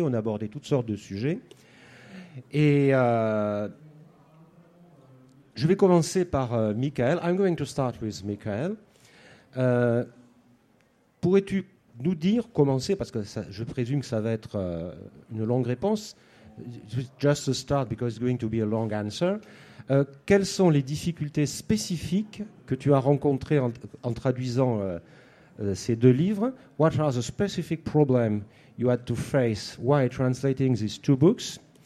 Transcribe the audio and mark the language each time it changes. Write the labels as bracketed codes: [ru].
[fr] On abordait toutes sortes de sujets. Et je vais commencer par Michael. [en] I'm going to start with Michael. [fr] Pourrais-tu nous dire, commencer, parce que ça, je présume que ça va être une longue réponse. [en] Just to start, because it's going to be a long answer. [fr] Quelles sont les difficultés spécifiques que tu as rencontrées en traduisant ces deux livres? [en] What are the specific problems you had to face while translating these two books?